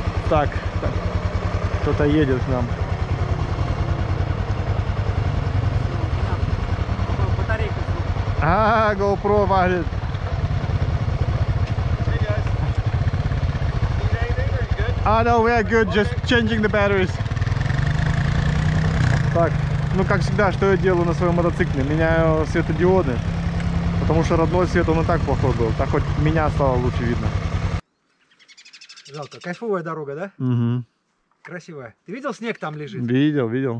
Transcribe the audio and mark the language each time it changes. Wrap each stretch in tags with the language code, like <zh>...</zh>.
<ru>Так, кто-то едет к нам. А, GoPro валит.</ru> <en>Hey guys. Need anything or good? Oh no, we are good, just changing the batteries.</en> <ru>Так, ну как всегда, что я делаю на своем мотоцикле? Меняю светодиоды. Потому что родной свет он и так плохой был. Так хоть меня стало лучше видно. Жалко. Кайфовая дорога, да? Угу. Красивая. Ты видел, снег там лежит? Видел, видел.</ru>